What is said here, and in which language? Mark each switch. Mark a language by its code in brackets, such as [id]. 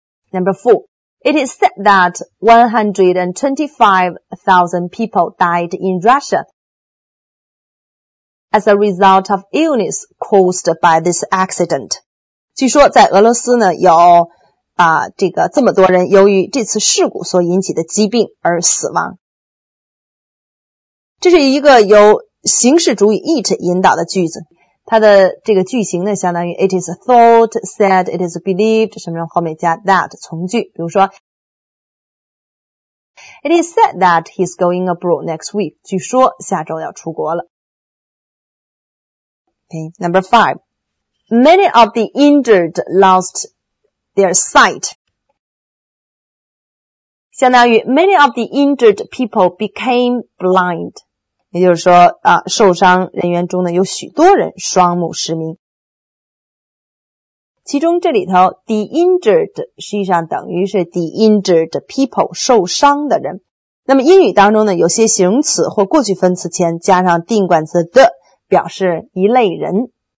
[en] Number four，It is said that 125,000 people died in Russia as a result of illness caused by this accident. [zh] 据说在俄罗斯呢有啊这个这么多人由于这次事故所引起的疾病而死亡。这是一个由形式主语 it 引导的句子。它的这个句型呢相当于 it is thought, said, it is believed, 什么后面加 that, 从句。 [en] 比如说 It is said that he's going abroad next week, [zh] 据说下周要出国了。 [en] Okay, number five. Many of the injured lost their sight. [zh] 相当于 [en] many of the injured people became blind. [zh] 也就是说啊，受伤人员中呢有许多人双目失明。其中这里头 the injured 实际上等于是 the injured people 受伤的人。那么英语当中呢有些形容词或过去分词前加上定冠词 the 表示一类人。